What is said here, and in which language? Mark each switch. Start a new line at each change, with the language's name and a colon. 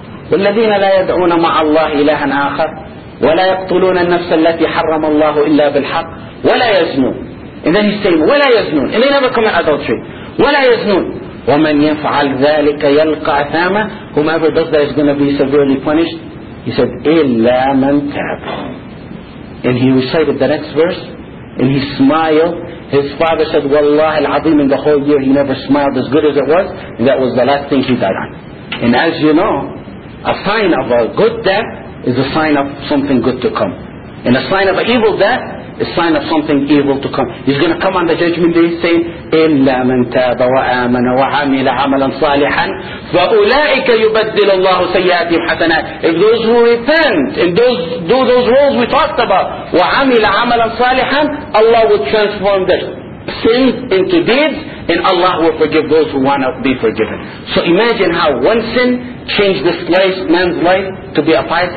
Arabic: وَالَّذِينَ لَا يَدْعُونَ مَعَ اللَّهِ إِلَهًا آخَرَ وَلَا يَقْتُلُونَ النَّفْسَ الَّتِي حَرَّمَ اللَّهُ إِلَّا بِالْحَقِّ وَلَا يَزْنُونَ.
English: And then he's saying,
Arabic: وَلَا يَزْنُونَ.
English: And they never commit adultery.
Arabic: وَلَا يَزْنُونَ. وَمَنْ يَفْعَلْ ذَلِكَ يَلْقَ أَثَامًا.
English: Whomever does that is going to be severely punished. He said,
Arabic: إِلَّا مَنْ تَابَ.
English: And he recited the next verse. And he smiled. His father said,
Arabic: وَاللَّهِ الْعَظِيمِ.
English: In the whole year he never smiled as good as it was. And that was the last thing he died on. And as you know, a sign of a good death is a sign of something good to come. And a sign of an evil death is a sign of something evil to come. He's going to come on the judgment day saying,
Arabic: إِلَّا مَنْ تَابَ وَآمَنَ وَعَمِلَ عَمَلًا صَالِحًا فَأُولَئِكَ يُبَدِّلُ اللَّهُ سَيَّاتِهِمْ حَسَنًا.
English: If those who repent and those, do those roles we talked about,
Arabic: وَعَمِلَ عَمَلًا صَالِحًا,
English: Allah will transform their sins into deeds, and Allah will forgive those who want to be forgiven. So imagine how one sin changed this life, man's life, to be a pious.